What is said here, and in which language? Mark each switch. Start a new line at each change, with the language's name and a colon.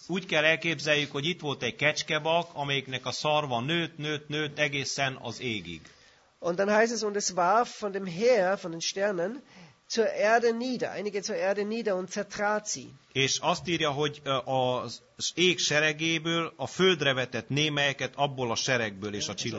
Hungarian: Úgy kell elképzeljük, hogy itt volt egy kecskebak, amelyiknek a szarva nőtt egészen az égig.
German: Und dann heißt es, und es warf von dem Heer, von den Sternen, zur Erde nieder, einige zur Erde nieder und zertrat sie.
Hungarian: És azt írja, hogy az ég seregéből a földre vetett némelyeket abból a seregből és a